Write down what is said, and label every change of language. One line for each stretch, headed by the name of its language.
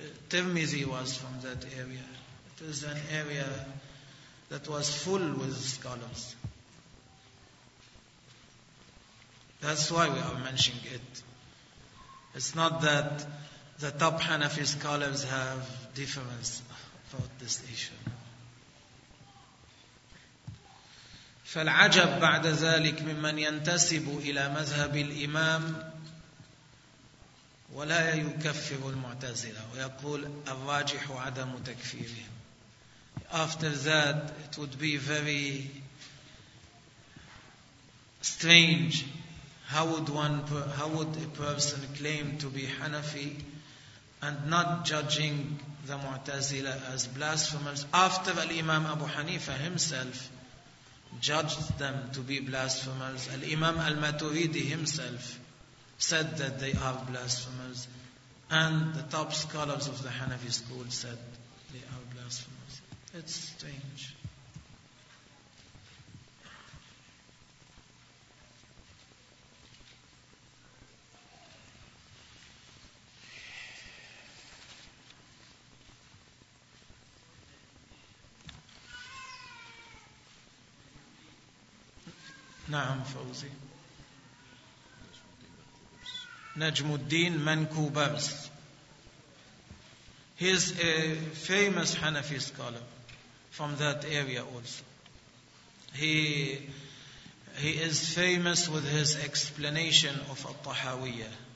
English: Tirmizi was from that area. It is an area that was full with scholars. That's why we are mentioning it. It's not that the top Hanafi scholars have difference about this issue.
Arabic: فالعجب بعد ذلك ممن ينتسب إلى مذهب الإمام ولا يكفر المعتزلة ويقول الراجح عدم تكفيرهم.
English: After that, it would be very strange How would a person claim to be Hanafi and not judging the Mu'tazila as blasphemers after Al-Imam Abu Hanifa himself judged them to be blasphemers? Al-Imam Al-Maturidi himself said that they are blasphemers, and the top scholars of the Hanafi school said they are blasphemers. It's strange.
Arabic: نعم فوزي نجم الدين منكوبرس.
English: He is a famous Hanafi scholar from that area also. He is famous with his explanation of al-Tahawiyya.